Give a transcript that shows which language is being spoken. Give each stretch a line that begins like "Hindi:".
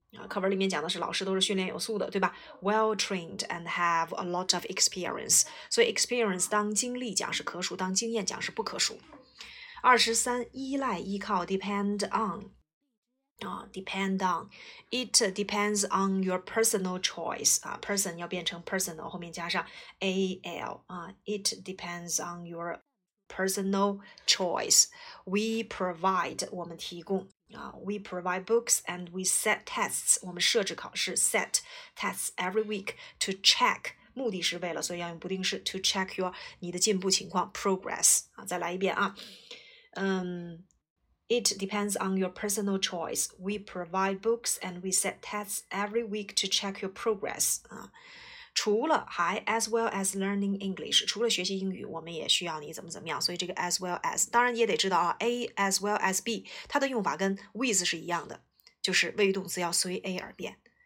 Chinese: 课文里面讲的是老师都是训练有素的，对吧？
English: Well trained and have a lot of experience.
Chinese: 所以 experience 当经历讲是可数，当经验讲是不可数。二十三，依赖依靠
English: depend on. Depend on. It depends on your personal choice. Person
Chinese: 要变成
English: personal,
Chinese: 后面加上
English: al. It depends on your personal choice. We provide,
Chinese: 我们提供。
English: We provide books and we set tests.
Chinese: 我们设置考试
English: set tests every week to check.
Chinese: 目的是为了，所以要用不定式
English: to check your,
Chinese: 你的进步情况 progress. 再来一遍啊。
English: It depends on your personal choice. We provide books and we set tests every week to check your progress.
Chinese: 除了还
English: as well as learning English.
Chinese: 除了学习英语我们也需要你怎么怎么样。所以这个
English: as well as,
Chinese: 当然也得知道啊
English: A as well as B,
Chinese: 它的用法跟 with 是一样的。就是谓语动词要随 A 而变。